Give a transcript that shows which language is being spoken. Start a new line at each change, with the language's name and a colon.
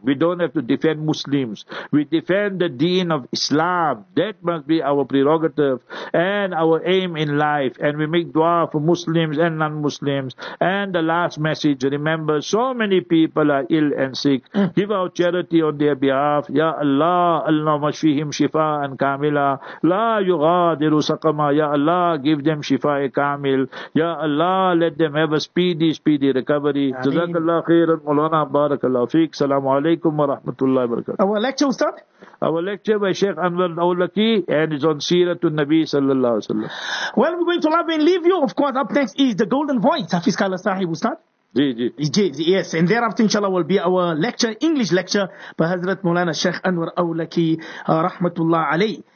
English: We don't have to defend Muslims. We defend the deen of Islam. That must be our prerogative and our aim in life. And we make dua for Muslims and non-Muslims. And the last message, remember, so many people are ill and sick. Give our charity on their behalf.
Arabic: Ya Allah, اللهم اشفهم شفاء كاملا لا يغادر سقما يا الله
English: give them
Arabic: شفاء كامل يا الله
English: let them have a speedy recovery.
Arabic: جزاك الله خيرا مولانا بارك الله فيك السلام عليكم ورحمة الله وبركاته.
English: Our lecture, Ustaz? Our lecture by Sheikh Anwar al-Awlaki, and it's on Siratul Nabi sallallahu alaihi wasallam. Well, we're going to love and leave you. Of course, up next is the golden voice, Hafiz Kala Sahib, Ustaz. Yes, and thereafter, inshallah, will be our lecture, English lecture, by Hazrat Mawlana Sheikh Anwar Awlaki, Rahmatullah Alayhi.